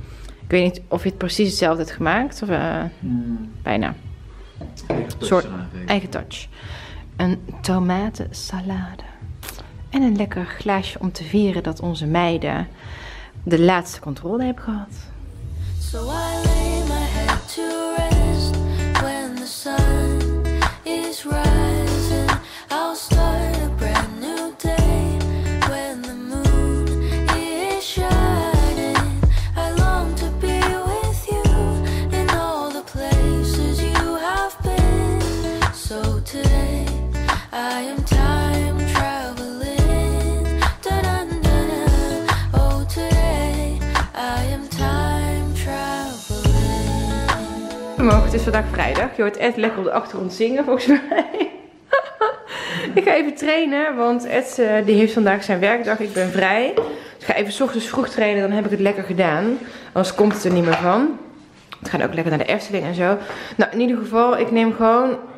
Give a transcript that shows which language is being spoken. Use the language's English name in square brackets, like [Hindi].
[Dutch] Ik weet niet of je het precies hetzelfde hebt gemaakt. Of bijna. Een soort eigen touch. Een tomatensalade. En een lekker glaasje om te vieren dat onze meiden de laatste controle hebben gehad. [English] So I lay my head to rest when the sun is rising. I'll start a brand new day when the moon is shining. I long to be with you in all the places you have been. So today I am time traveling. Da-da-da-da. Oh, today I am time traveling. [Dutch] Morgen, het is vandaag vrijdag. Je hoort Ed lekker op de achtergrond zingen, volgens mij. Ik ga even trainen, want Ed die heeft vandaag zijn werkdag. Ik ben vrij. Dus ik ga even 's ochtends vroeg trainen, dan heb ik het lekker gedaan. Anders komt het er niet meer van. We gaan ook lekker naar de Efteling en zo. Nou, in ieder geval, ik neem gewoon...